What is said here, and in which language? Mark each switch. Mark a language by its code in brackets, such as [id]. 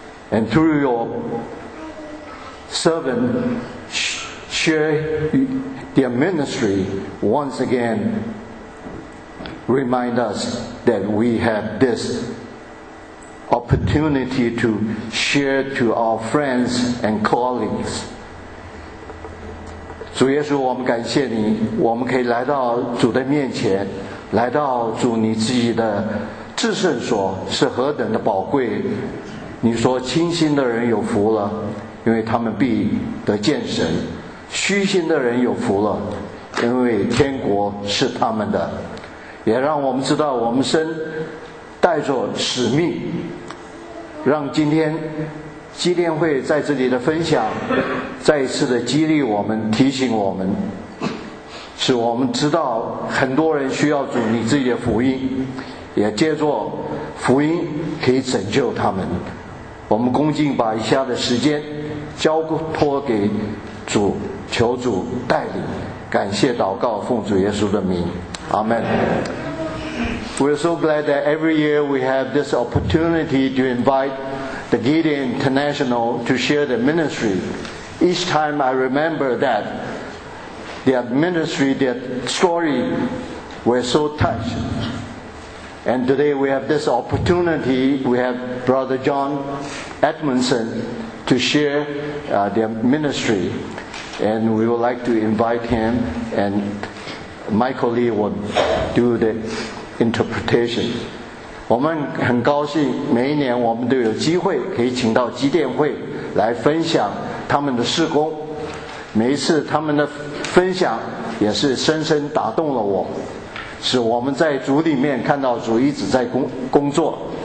[en] And through your servant, share their ministry once again. Remind us that we have this opportunity to share to our friends and colleagues. [zh] 主耶稣，我们感谢你，我们可以来到主的面前，来到主你自己的至圣所，是何等的宝贵。你说清心的人有福了，因为他们必得见神；虚心的人有福了，因为天国是他们的。也让我们知道我们身带着使命，让今天基甸会在这里的分享再一次的激励我们，提醒我们，使我们知道很多人需要主你自己的福音，也借助福音可以拯救他们。我们恭敬把以下的时间交托给主，求主带领，感谢祷告奉主耶稣的名，阿们。 [en] We're so glad that every year we have this opportunity to invite the Gideon International to share their ministry. Each time I remember that their ministry, their story, we're so touched. And today we have this opportunity, we have Brother John Edmondson to share their ministry. And we would like to invite him, and Michael Lee will do the interpretation. [zh] 我们很高兴每一年我们都有机会可以请到基甸会来分享他们的事工，每一次他们的分享也是深深打动了我，使我们在主里面看到主一直在工作。